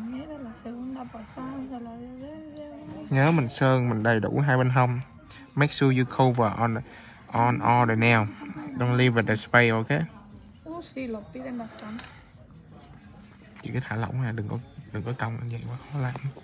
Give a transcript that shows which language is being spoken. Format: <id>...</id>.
<es>Mira la segunda pasada, la de desde abajo.</es> <vi>Nhớ mình sơn mình đầy đủ hai bên hông.</vi> <en>Make sure you cover on all the nail. Don't leave the space, okay?</en> <es>Sí, lo piden bastante.</es> <vi>Chỉ cái thả lỏng nha, đừng có cong vậy quá khó làm.</vi>